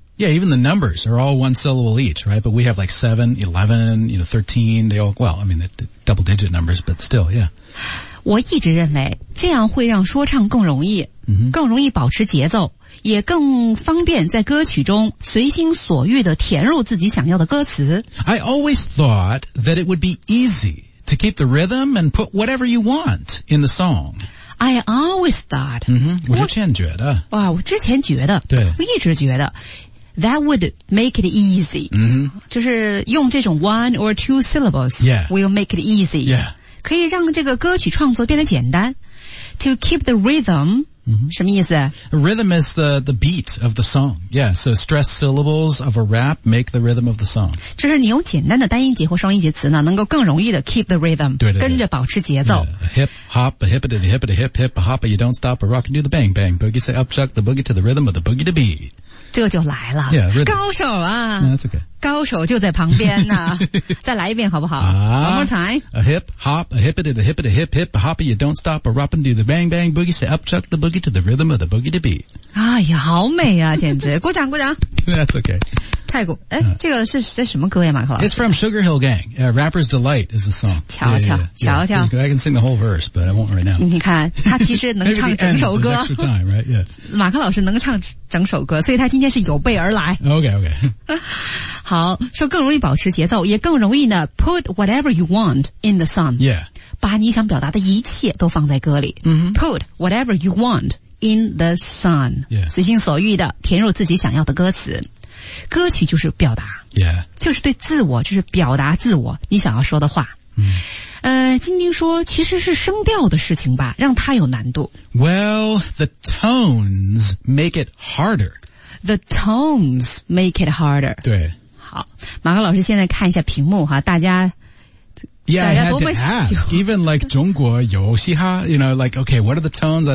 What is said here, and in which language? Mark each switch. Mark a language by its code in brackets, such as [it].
[en] Yeah, even the numbers are all one syllable each, right? But we have like 7, 11, you know, 13, they all, well, I mean, the double digit numbers, but still, yeah. [zh] 我一直认为这样会让说唱更容易、 mm-hmm. 更容易保持节奏也更方便在歌曲中随心所欲地填入自己想要的歌词。 [en] I always thought that it would be easy to keep the rhythm and put whatever you want in the song. I always thought. [zh] 嗯哼，我之前觉得。哇，我之前觉得。对。我一直觉得。 [en] That would make it easy. 嗯哼。 [zh] 就是用这种 [en] one or two syllables. Yeah. Will make it easy. Yeah. [zh] 可以让这个歌曲创作变得简单。 [en] To keep the rhythm. 嗯哼。 [zh] 什么意思 [en] ?Rhythm is the beat of the song. Yeah, so stressed syllables of a rap make the rhythm of the song. [zh] 就是你用简单的单音节或双音节词呢能够更容易的 [en] keep the rhythm. [zh] 对对对。跟着保持节奏。 [en] Hip, hop, a hippity, a hippity, hip, hip, a hop, a you don't stop, a rock, and do the bang, bang, boogie, say up, chuck, the boogie to the rhythm of the boogie to beat. [zh] 这就来了。 [en] Yeah, rhythm. [zh] 高手啊。 [en] No, that's okay. [zh] 高手就在旁边呢。再来一遍好不好、 [en] One more time. A hip hop, a hippity, a hippity, a hip hip, a hoppy, you don't stop, a rockin' do the bang bang boogie, say up chuck the boogie to the rhythm of the boogie to beat. [zh] 哎呀好美啊简直。鼓掌鼓掌。 [en] That's okay. [zh] 泰国这个是在什么歌呀马克老师 [en] It's from Sugar Hill Gang,、Rapper's Delight is the song. [zh] 瞧瞧瞧瞧。 [en] I can sing the whole verse, but I won't right now. [zh] 你看他其实能唱整首歌。 [en] extra time, right? Yes. [zh] 马克老师能唱整首歌所以他今天是有备而来。 [en] Okay, okay. [zh] 好说更容易保持节奏也更容易呢 [en] put whatever you want in the song. Yeah. [zh] 把你想表达的一切都放在歌里。 Mm-hmm. [en] Put whatever you want in the song.、 Yeah. [zh] 随心所欲的填入自己想要的歌词。歌曲就是表达、 [en] yeah. [zh] 就是对自我就是表达自我你想要说的话、金丁说其实是声调的事情吧让它有难度 [en] Well, the tones make it harder The tones make it harder [zh] 对好马克老师现在看一下屏幕哈大家 [en] Yeah, [zh] 大家 [en] I had to ask Even like 中国有嘻哈 You know, like, okay, what are the tones?